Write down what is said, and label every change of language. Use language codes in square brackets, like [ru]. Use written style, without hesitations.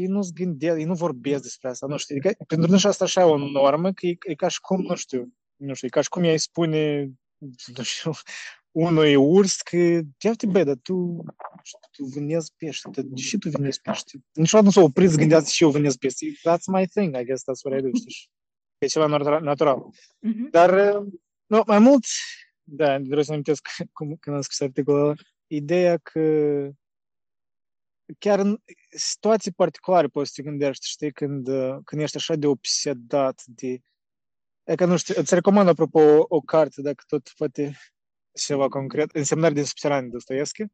[ro] Ei nu-s gândesc, ei nu vorbesc despre asta, nu știu. Adică, pentru noi asta așa e o normă, că e ca și cum, nu știu, e ca și cum ei spune, nu știu, unui urs că ce-ați băi, dar tu vânezi pești, dar de ce tu vânezi pești? Niciodată nu s-a oprit să gândească și eu vânezi pești. [en] That's my thing, I guess, that's what I do, [ro] știi? E ceva natural. Mm-hmm. Dar, no, mai mult, da, vreau să-mi amintesc când am scris articolul ăla, ideea că chiar în situații particulare poți să te gândești, știi, când ești așa de obsedat de... E că, nu știu, îți recomand, apropo, o carte, dacă tot poate ceva concret, Însemnări din subterane Dostoevski.